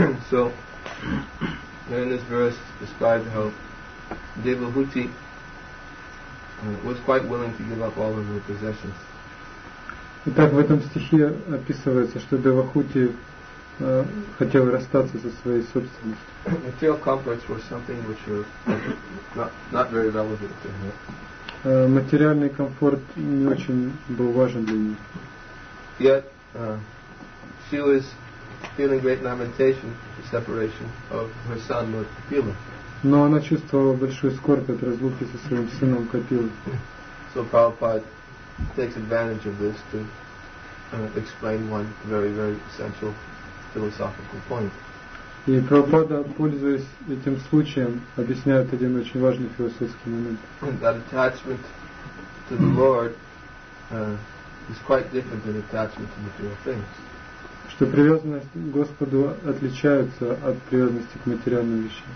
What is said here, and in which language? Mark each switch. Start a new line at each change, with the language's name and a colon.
English: So, then this verse describes how Devahuti was quite willing to give up all of her possessions.
Russian: Итак, в этом стихе описывается, что Девахути хотел расстаться со своей собственностью.
English: Material comforts were something which were not very relevant to him.
Russian: Материальный комфорт не очень был важен для нее.
English: Yet, she was feeling great lamentation at the separation of her son, Lord Kapila.
Russian: Но она чувствовала большую скорбь от разлуки со своим сыном Капилой.
English: So Prabhupada takes advantage of this to explain one very, very essential philosophical point.
Russian: И Прабхупада, пользуясь этим случаем, объясняет один очень важный философский момент.
English: That attachment to the Lord is quite different than attachment to material things.
Russian: Что привязанность к Господу отличается от привязанности к материальным вещам.